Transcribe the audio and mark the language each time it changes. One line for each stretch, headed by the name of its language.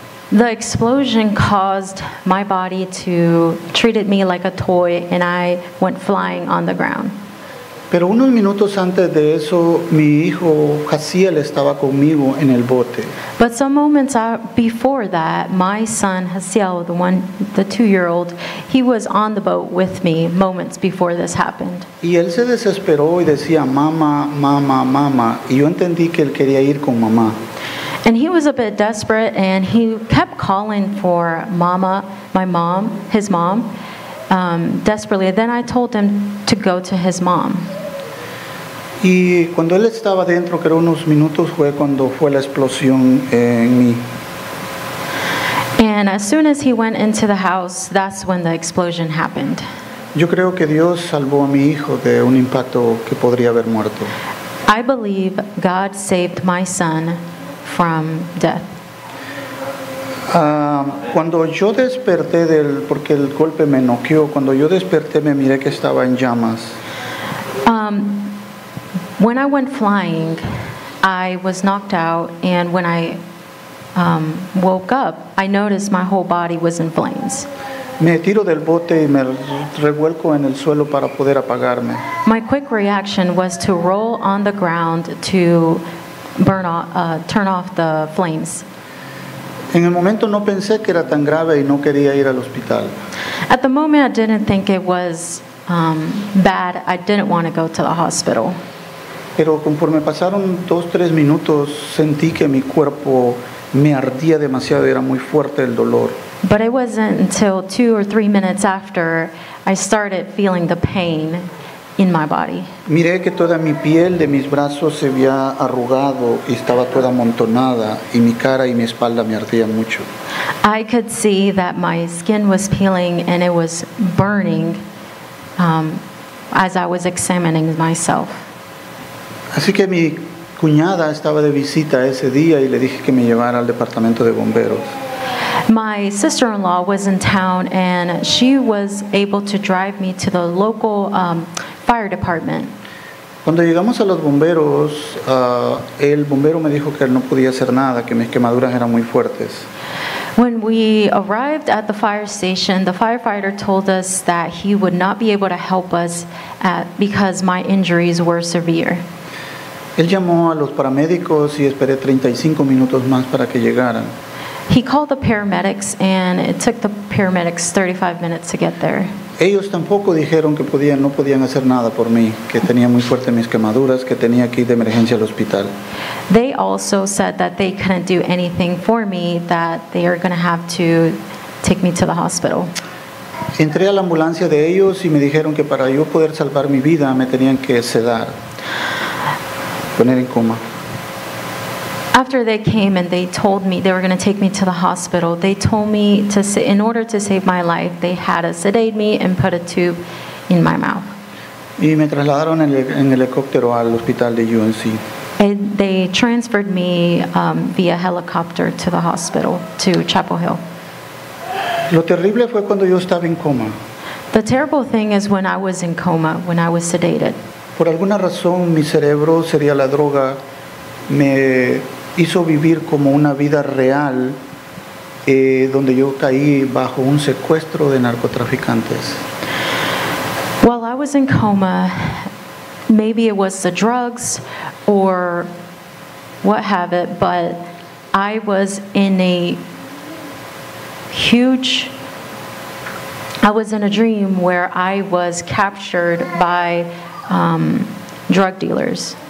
English: The explosion caused my body to treated me like a toy and I went flying on the ground.
Spanish: Pero unos minutos antes de eso, mi hijo Jaciel estaba conmigo en el bote.
English: But some moments before that, my son Jaciel, the 2-year-old, he was on the boat with me moments before this happened.
Spanish: Y él se desesperó y decía, mamá, mamá, mamá. Y yo entendí que él quería ir con mamá.
English: And he was a bit desperate and he kept calling for mama, my mom, his mom. Desperately, then I told him to go to his mom.
Spanish: Y cuando él estaba dentro, que eran unos minutos, fue cuando fue la explosión en mí.
English: And as soon as he went into the house, that's when the explosion happened.
Spanish: Yo creo que Dios salvó a mi hijo de un impacto que podría haber muerto.
English: I believe God saved my son from death.
Spanish: Cuando yo desperté porque el golpe me noqueó, cuando yo desperté me miré que estaba en llamas.
English: When I went flying, I was knocked out, and when I woke up, I noticed my whole body was in flames.
Spanish: Me tiro del bote y me revuelco en el suelo para poder apagarme.
English: My quick reaction was to roll on the ground to turn off the flames.
Spanish: En el momento no pensé que era tan grave y no quería ir al hospital.
English: At the moment I didn't think it was bad. I didn't want to go to the hospital.
Spanish: Pero conforme pasaron 2-3 minutos sentí que mi cuerpo me ardía demasiado, era muy fuerte el dolor.
English: But it wasn't until 2 or 3 minutes after I started feeling the pain in my body.
Spanish: Miré que toda mi piel de mis brazos se había arrugado y estaba toda amontonada y mi cara y mi espalda me ardían mucho.
English: I could see that my skin was peeling and it was burning as I was examining myself.
Spanish: Así que mi cuñada estaba de visita ese día y le dije que me llevara al departamento de bomberos.
English: My sister-in-law was in town and she was able to drive me to the local fire department.
Spanish: Cuando llegamos a los bomberos, el bombero me dijo que él no podía hacer nada, que mis quemaduras eran muy fuertes.
English: When we arrived at the fire station, the firefighter told us that he would not be able to help us because my injuries were severe.
Spanish: Él llamó a los paramédicos y esperé 35 minutos más para que llegaran.
English: He called the paramedics and it took the paramedics 35 minutes to get there.
Spanish: Ellos tampoco dijeron que podían, no podían hacer nada por mí, que tenía muy fuerte mis quemaduras, que tenía que ir de emergencia al hospital.
English: They also said that they couldn't do anything for me, that they are going to have to take me to the hospital.
Spanish: Entré a la ambulancia de ellos y me dijeron que para yo poder salvar mi vida me tenían que sedar, poner en coma.
English: After they came and they told me they were going to take me to the hospital, they told me to sit, in order to save my life, they had to sedate me and put a tube in my mouth.
Spanish: Y me trasladaron en helicóptero al hospital de UNC.
English: And they transferred me via helicopter to the hospital, to Chapel Hill.
Spanish: Lo terrible fue cuando yo estaba en coma.
English: The terrible thing is when I was in coma, when I was sedated.
Spanish: Por alguna razón, mi cerebro sería la droga, me hizo vivir como una vida real donde yo caí bajo un secuestro de narcotraficantes.
English: While I was in coma, maybe it was the drugs or what have it, but I was in a huge, I was in a dream where I was captured by drug dealers.